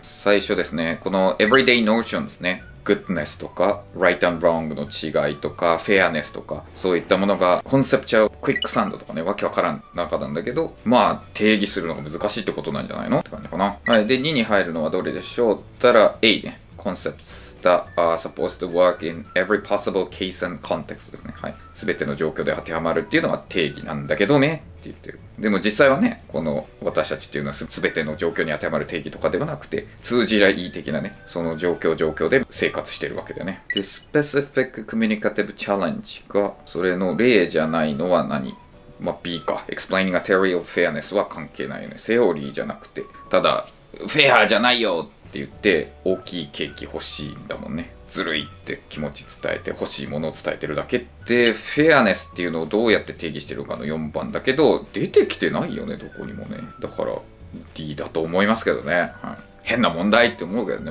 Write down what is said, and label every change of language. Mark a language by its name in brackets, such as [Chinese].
[Japanese] 最初ですね、この Everyday Notions ね。goodness とか [English] right and wrong [Japanese] の違いとか fairness とかそういったものがコンセプチャルクイックサンドとかね、わけわからん中なんだけど、まあ定義するのが難しいってことなんじゃないのって感じかな。はい。で、2に入るのはどれでしょうったら A ね。 [English] concepts that are supposed to work in every possible case and context [Japanese] ですね。はい。全ての状況で当てはまるっていうのが定義なんだけどねって言ってる。でも実際はね、この私たちっていうのは全ての状況に当てはまる定義とかではなくて、通じりゃいい的なね、その状況状況で生活してるわけだよね。で、 [English] specific communicative challenge [Japanese] が、それの例じゃないのは何？まあ、B か。 [English] explaining a theory of fairness [Japanese] は関係ないよね。セオリーじゃなくて、ただ、フェアじゃないよって言って、大きいケーキ欲しいんだもんね。ずるいって気持ち伝えて、欲しいものを伝えてるだけって、フェアネスっていうのをどうやって定義してるかの4番だけど、出てきてないよね、どこにもね。だから、D だと思いますけどね。はい、変な問題って思うけどね。